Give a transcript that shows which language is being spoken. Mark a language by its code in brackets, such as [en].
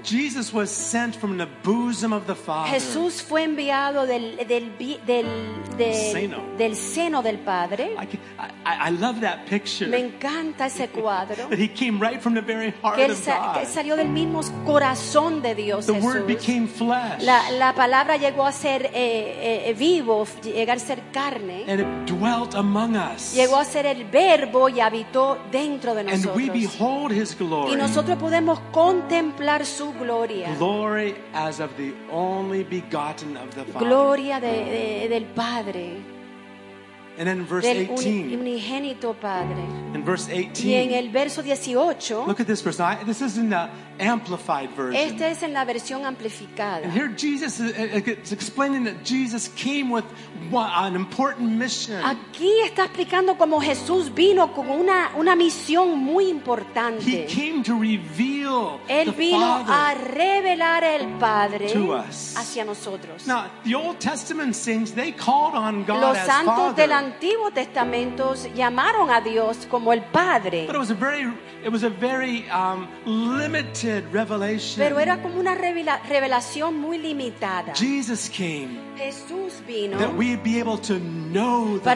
[en] Jesus was sent from the bosom of the Father. [es] Jesús fue enviado del seno del Padre. [en] I love that picture. [es] Me encanta ese cuadro. [en] That he came right from the very heart [es] que [en] of God. [es] Que salió del mismo corazón de Dios. [en] The [es] Jesús. [en] Word became flesh. [es] La palabra llegó a ser vivo, llegar a ser carne. [en] And it dwelt among us. [es] Llegó a ser el Verbo y habitó dentro de nosotros. [en] And we behold his glory. [es] Y nosotros podemos contemplar su gloria. [en] Glory as of the only begotten of the Father. [es] Gloria del Padre. [en] And then verse 18. [es] Del unigénito Padre. [en] In verse 18. [es] Y en el verso 18. [en] Look at this verse. This is in the amplified version. [es] Esta es en la versión amplificada. [en] And here Jesus is explaining that Jesus came with an important mission. [es] Aquí está explicando cómo Jesús vino con una misión muy importante. [en] He came to reveal the Father. [es] Él vino a revelar el Padre [en] to us. [es] Hacia nosotros. [en] Now the Old Testament saints they called on God [es] los [en] as Father. [es] Los santos del Antiguo Testamento llamaron a Dios como el Padre. [en] But it was a very limited revelation. [es] Pero era como una revelación muy limitada. [en] Jesus came. [es] Jesús vino. [en] That we'd be able to know the